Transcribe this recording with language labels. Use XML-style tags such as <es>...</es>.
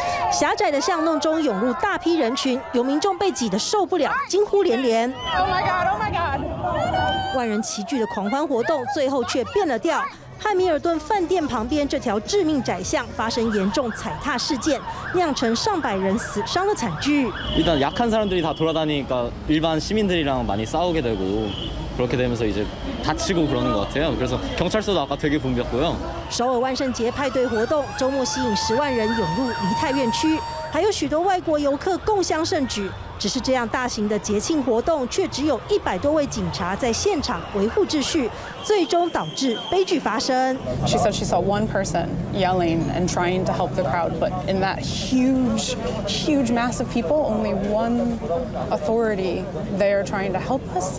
<zh>狭窄的巷弄中涌入大批人群，有民众被挤得受不了，惊呼连连。</zh> <en>Oh my god! Oh my god!</en> <zh>万人齐聚的狂欢活动最后却变了调。汉密尔顿饭店旁边这条致命窄巷发生严重踩踏事件，酿成上百人死伤的惨剧。</zh> <ko>일단약한사람들이다돌아다니니까일반시민들이랑많이싸우게되고그 그렇게 되면서 이제 다치고 그러는 것 같아요. 그래서 경찰서도 아까 되게 붐볐고요.</ko> <zh>首尔万圣节派对活动周末吸引10万人涌入梨泰院区，还有许多外国游客共襄盛举。只是这样大型的节庆活动，却只有100多位警察在现场维护秩序，最终导致悲剧发生。</zh> <en>She said she saw one person yelling and trying to help the crowd, but in that huge, huge mass of people, only one authority there trying to help us.</en>